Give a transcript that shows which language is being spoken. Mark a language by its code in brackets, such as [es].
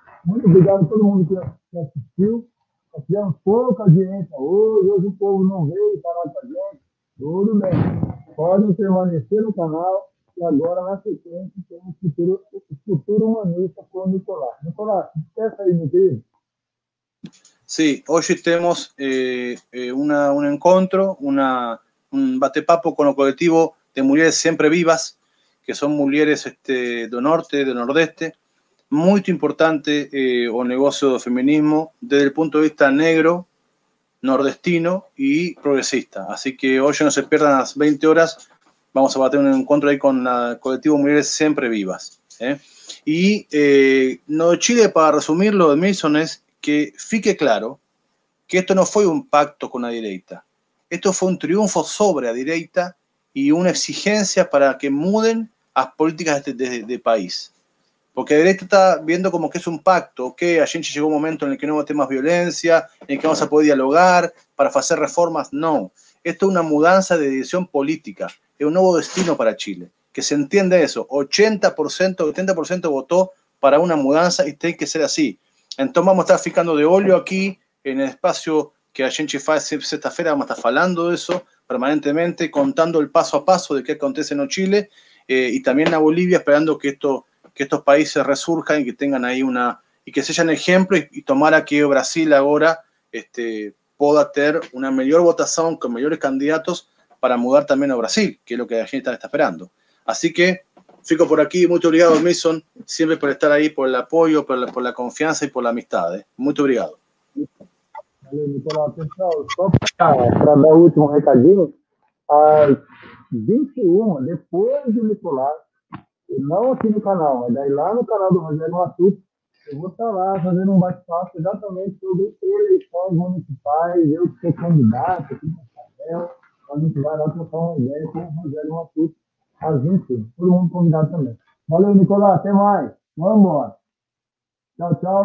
[pt] Muito obrigado a todo mundo que assistiu. Nós tivemos pouca audiência hoje o povo não veio falar com a gente. Tudo bem. Podem permanecer no canal e agora, na sequência, temos o futuro humanista com o Nicolás. Nicolás, esquece aí, meu querido. [es] Sí, hoy tenemos un encuentro, un bate-papo con el colectivo de Mujeres Siempre Vivas, que son mujeres del norte, del nordeste. Muy importante el negocio del feminismo desde el punto de vista negro, nordestino y progresista. Así que hoy no se pierdan las 20 horas, vamos a tener un encuentro ahí con el colectivo Mujeres Siempre Vivas. Y no Chile, para resumirlo, de Milson es que fique claro que esto no fue un pacto con la derecha. Esto fue un triunfo sobre la derecha y una exigencia para que muden las políticas de país. Porque la derecha está viendo como que es un pacto, que a gente llegó un momento en el que no va a tener más violencia, en el que vamos a poder dialogar para hacer reformas. No, esto es una mudanza de dirección política, es un nuevo destino para Chile. Que se entienda eso, 80%, 80% votó para una mudanza y tiene que ser así. [pt] Então vamos estar ficando de olho aqui no espaço que a gente faz sexta-feira, vamos estar falando disso permanentemente, contando o passo a passo de que acontece no Chile e também na Bolívia, esperando que estos países ressurjam e que tenham aí uma [es] y que sean ejemplo y tomar a que Brasil ahora pueda tener una mejor votación con mejores candidatos para mudar también a Brasil, que es lo que la gente está esperando. Así que fico por aquí, [pt] muito obrigado, [es] Mason, siempre por estar ahí, por el apoyo, por la confianza y por la amistad. [pt] Muito obrigado. Valeu, Nicolau. Pessoal, só para dar o último recadinho, às 21, depois do Nicolau, não aqui no canal, mas daí lá no canal do Rogério Matuto, eu vou estar lá fazendo um bate-papo exatamente sobre eleições municipais, eu que sou candidato aqui no papel, a gente vai lá trocar uma ideia com o Rogério Matuto, às 21, todo mundo convidado também. Valeu, Nicolau, até mais. Vamos embora. Tchau, tchau.